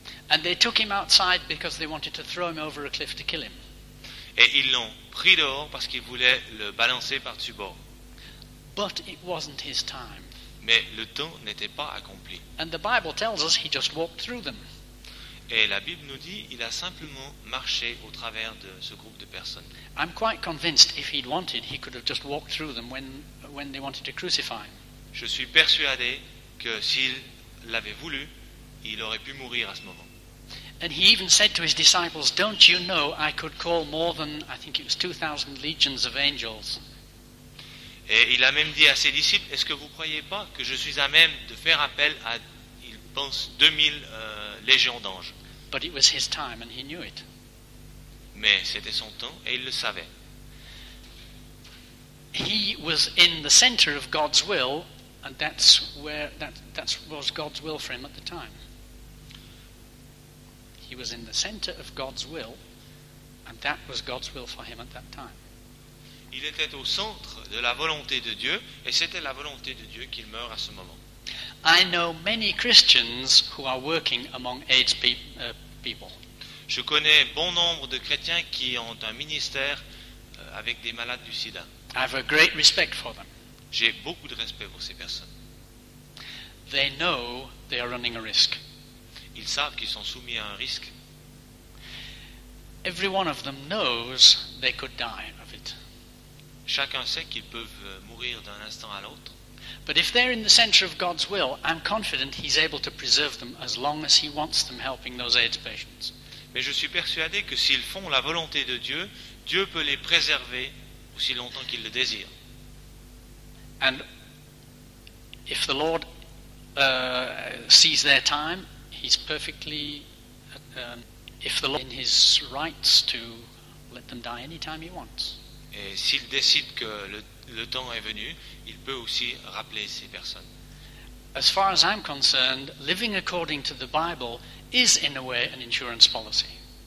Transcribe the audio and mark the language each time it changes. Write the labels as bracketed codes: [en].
[en] And they took him outside because they wanted to throw him over a cliff to kill him. [fr] Et ils l'ont pris dehors parce qu'ils voulaient le balancer par-dessus bord. [en] But it wasn't his time. [fr] Mais le temps n'était pas accompli. [en] And the Bible tells us he just walked through them. [fr] Et la Bible nous dit qu'il a simplement marché au travers de ce groupe de personnes. [en] I'm quite convinced if he'd wanted, he could have just walked through them when they wanted to crucify him. [fr] Je suis persuadé que s'il l'avait voulu, il aurait pu mourir à ce moment. [en] And he even said to his disciples, "Don't you know I could call more than, I think it was 2,000 legions of angels?" [fr] Et il a même dit à ses disciples, "Est-ce que vous ne croyez pas que je suis à même de faire appel à, il pense, 2,000 légions d'anges?" [en] But it was his time and he knew it. [fr] Mais c'était son temps et il le savait. [en] He was in the center of God's will, and that was God's will for him at the time. He was in the center of God's will, and that was God's will for him at that time. [fr] Il était au centre de la volonté de Dieu, et c'était la volonté de Dieu qu'il meure à ce moment. [en] I know many Christians who are working among AIDS people. [fr] Je connais bon nombre de chrétiens qui ont un ministère avec des malades du sida. [en] I have a great respect for them. [fr] J'ai beaucoup de respect pour ces personnes. [en] They know they are running a risk. [fr] Ils savent qu'ils sont soumis à un risque. [en] Every one of them knows they could die of it. [fr] Chacun sait qu'ils peuvent mourir d'un instant à l'autre. [en] But if they're in the center of God's will, I'm confident he's able to preserve them as long as he wants them helping those AIDS patients. [fr] Mais je suis persuadé que s'ils font la volonté de Dieu, Dieu peut les préserver aussi longtemps qu'ils le désirent. [en] And if the Lord sees their time, he's perfectly if the Lord in his rights to let them die any time he wants. [fr] Et s'il décide que le le temps est venu, il peut aussi rappeler ces personnes. [en] As far as I'm concerned, living according to the Bible is in a way an insurance policy.